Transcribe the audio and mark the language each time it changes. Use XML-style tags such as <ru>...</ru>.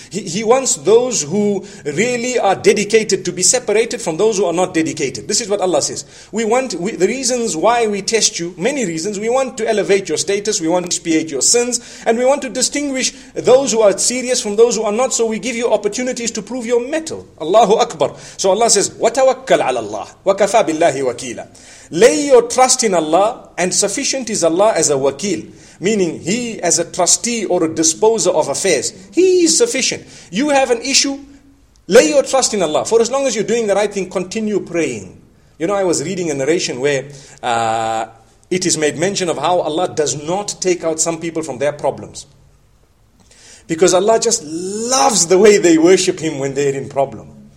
<en>He wants those who really are dedicated to be separated from those who are not dedicated. This is what Allah says. The reasons why we test you, many reasons. We want to elevate your status, we want to expiate your sins, and we want to distinguish those who are serious from those who are not, so we give you opportunities to prove your mettle. Allahu Akbar.</en> <ar>So Allah says, وَتَوَكَّلْ عَلَى اللَّهِ وَكَفَى بِاللَّهِ وَكِيلًا.</ar> <en>Lay your trust in Allah, and sufficient is Allah as a wakil, meaning He as a trustee or a disposer of affairs. He is sufficient. You have an issue, lay your trust in Allah. For as long as you're doing the right thing, continue praying. You know, I was reading a narration where it is made mention of how Allah does not take out some people from their problems, because Allah just loves the way they worship Him when they're in problem.</en>